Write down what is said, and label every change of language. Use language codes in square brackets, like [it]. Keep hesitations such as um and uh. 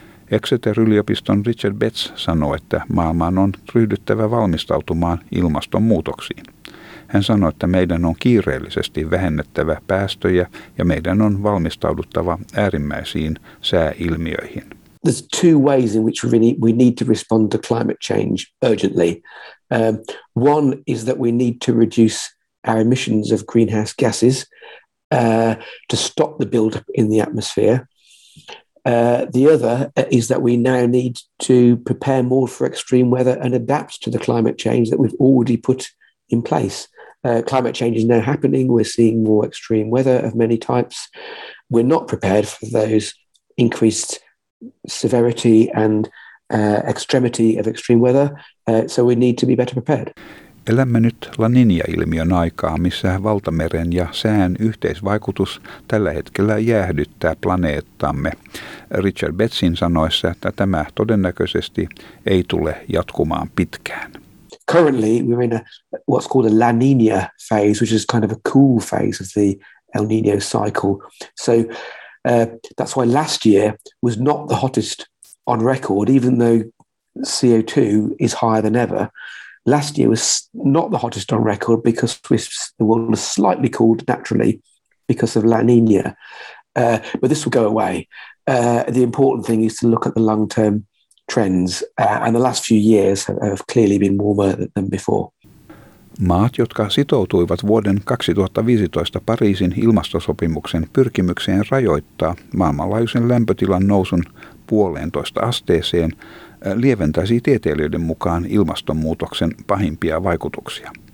[fi] Exeter-yliopiston Richard Betts sanoi, että maailman on ryhdyttävä valmistautumaan ilmastonmuutoksiin. Hän sanoi, että meidän on kiireellisesti vähennettävä päästöjä ja meidän on valmistauduttava äärimmäisiin sääilmiöihin. [en] there's two ways in which we really, we need to respond to climate change urgently. Um, one is that we need to reduce our emissions of greenhouse gases uh, to stop the build-up in the atmosphere. Uh, the other is that we now need to prepare more for extreme weather and adapt to the climate change that we've already put in place. Uh, climate change is now happening. We're seeing more extreme weather of many types. We're not prepared for those increased severity and uh, extremity of extreme weather, uh, so we need to be better prepared. [fi] Elämme nyt La Niña-ilmiön aikaa, missä valtameren ja sään yhteisvaikutus tällä hetkellä jäähdyttää planeettamme. Richard Betsin sanoissa, että tämä todennäköisesti ei tule jatkumaan pitkään. [en] Currently we're in a, what's called a La Niña phase, which is kind of a cool phase of the El Niño cycle. So Uh, that's why last year was not the hottest on record, even though CO2 is higher than ever. Last year was not the hottest on record because we, the world was slightly cooled naturally because of La Nina. Uh, but this will go away. Uh, the important thing is to look at the long term trends, and the last few years have clearly been warmer than before. [fi] Maat, jotka sitoutuivat vuoden 2015 Pariisin ilmastosopimuksen pyrkimykseen rajoittaa maailmanlaajuisen lämpötilan nousun puoleentoista asteeseen, lieventäisi tieteilijöiden mukaan ilmastonmuutoksen pahimpia vaikutuksia.